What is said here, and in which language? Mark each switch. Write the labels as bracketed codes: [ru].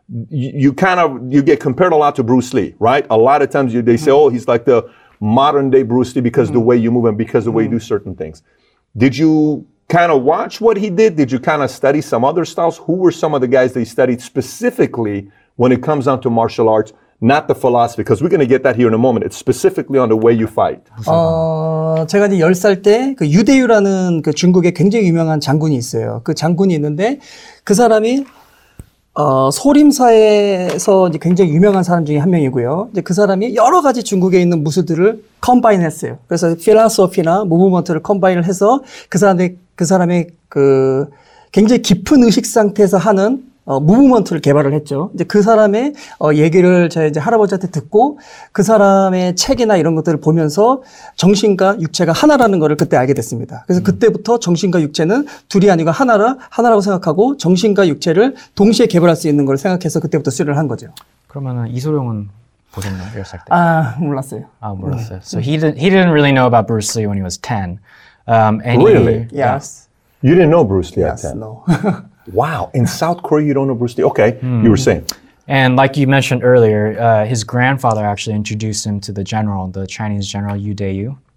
[en] You get compared a lot to Bruce Lee, right? A lot of times they say, oh, he's like the modern day Bruce Lee because the way you move and because the way you do certain things. Did you kind of watch what he did? Did you kind of study some other styles? Who were some of the guys they studied specifically when it comes down to martial arts, not the philosophy, because we're going to get that here in a moment. It's specifically on the way you fight. [ko] 제가 이제 10살 때 그 유대유라는 그 중국의 굉장히 유명한 장군이 있어요. 그 장군이 있는데 그 사람이 소림사에서 이제 굉장히 유명한 사람 중에 한 명이고요. 이제 그 사람이 여러 가지 중국에 있는 무술들을 컴바인 했어요. 그래서 필라소피나 무브먼트를 컴바인을 해서 그 사람의 그 굉장히 깊은 의식 상태에서 하는 무브먼트를 개발을 했죠. 이제 그 사람의 얘기를 제가 이제 할아버지한테 듣고 그 사람의 책이나 이런 것들을 보면서 정신과 육체가 하나라는 것을 그때 알게 됐습니다. 그래서 그때부터 정신과 육체는 둘이 아니고 하나라고 생각하고 정신과 육체를 동시에 개발할 수 있는 걸 생각해서 그때부터 수련을 한 거죠. 그러면 이소룡은 보셨나요? 몇 살 때? 몰랐어요. [en] So he didn't really know about Bruce Lee when he was 10. Really? Yes. You didn't know Bruce Lee at 10? Yes, no. Wow, in South Korea, you don't know Bruce Lee. Okay, you were saying. And like you mentioned earlier, his grandfather actually introduced him to the general, the Chinese general Yu Dayu.